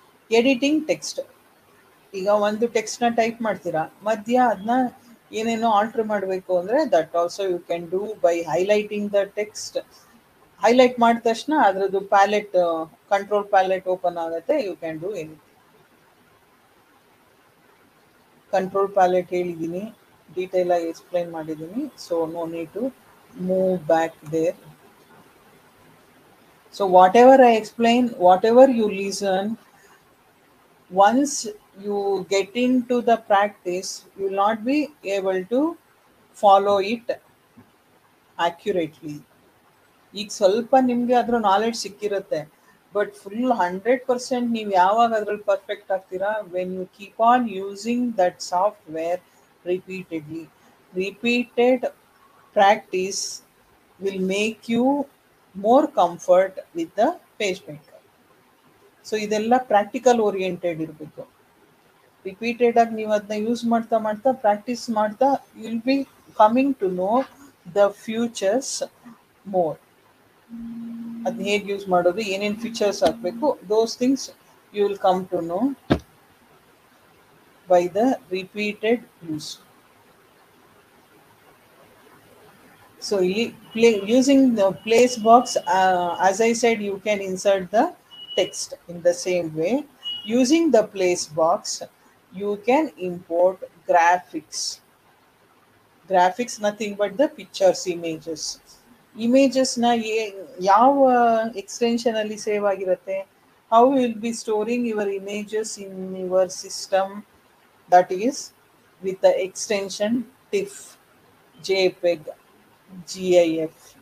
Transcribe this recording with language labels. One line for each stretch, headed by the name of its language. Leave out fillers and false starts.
Kannada: Editing text, ಈಗ ಒಂದು ಟೆಕ್ಸ್ಟ್ನ type ಮಾಡ್ತೀರಾ, ಮಧ್ಯ ಅದನ್ನ ಏನೇನೋ ಆಲ್ಟರ್ ಮಾಡಬೇಕು ಅಂದರೆ
English: That also you can do by highlighting the text.
Kannada: Highlight ಮಾಡಿದ ತಕ್ಷಣ ಅದರದ್ದು ಪ್ಯಾಲೆಟ್, ಕಂಟ್ರೋಲ್ ಪ್ಯಾಲೆಟ್ ಓಪನ್ ಆಗುತ್ತೆ.
English: you can do anything,
Kannada: control palette ಹೇಳಿದ್ದೀನಿ, ಡೀಟೇಲ್ ಆಗಿ ಎಕ್ಸ್ಪ್ಲೈನ್ ಮಾಡಿದ್ದೀನಿ.
English: So no need to move back there. So whatever I explain, whatever you listen, once you get into the practice you will not be able to follow it accurately.
Kannada: ಈಗ ಸ್ವಲ್ಪ ನಿಮಗೆ ಅದರ knowledge ಸಿಕ್ಕಿರುತ್ತೆ, but full 100% ನೀವು ಯಾವಾಗ ಅದರಲ್ಲಿ perfect ಆಗ್ತೀರಾ,
English: When you keep on using that software repeatedly. Repeated practice will make you more comfort with the page maker.
Kannada: So ಇದೆಲ್ಲ practical oriented ಇರಬೇಕು. ರಿಪೀಟೆಡ್ ಆಗಿ ನೀವು ಅದನ್ನ ಯೂಸ್ ಮಾಡ್ತಾ ಮಾಡ್ತಾ ಪ್ರಾಕ್ಟೀಸ್ ಮಾಡ್ತಾ
English: You will be coming to know the futures more.
Kannada: ಅದನ್ನ ಹೇಗೆ ಯೂಸ್ ಮಾಡೋದು, ಏನೇನು ಫ್ಯೂಚರ್ಸ್ ಆಗಬೇಕು,
English: Those things you will come to know by the repeated use. So ಇಲ್ಲಿ using the place box, as I said, you can insert the text in the same way. Using the place box you can import graphics. Graphics nothing but the pictures, images.
Kannada: Images na yav extension alli save agirutte,
English: how you will be storing your images in your system, that is with the extension tiff, jpeg, gif.